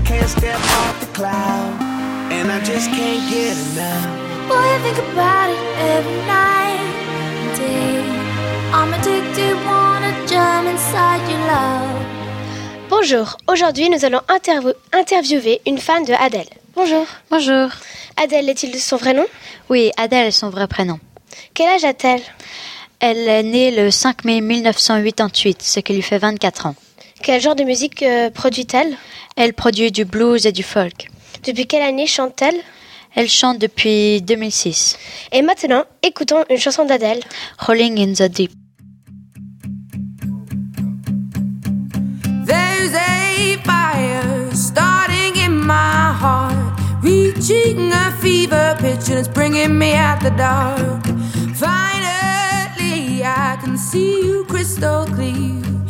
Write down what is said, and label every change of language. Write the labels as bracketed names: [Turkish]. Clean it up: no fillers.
[English] Step off the cloud, and I just can't get enough. Boy, I think about it every night and day. I'm addicted, wanna jump inside your love. [French] Bonjour, aujourd'hui nous allons interviewer une fan de Adèle. Bonjour. Bonjour. Adèle, est-il son vrai nom? Oui, Adèle est son vrai prénom. Quel âge a-t-elle? Elle est née le 5 mai 1988, ce qui lui fait 24 ans. Quel genre de musique produit-elle? Elle produit du blues et du folk. Depuis quelle année chante-t-elle? Elle chante depuis 2006. Et maintenant, écoutons une chanson d'Adèle. Rolling in the Deep. [English] There's a fire starting in my heart. Reaching a fever pitch and it's bringing me out the dark. Finally I can see you crystal clear.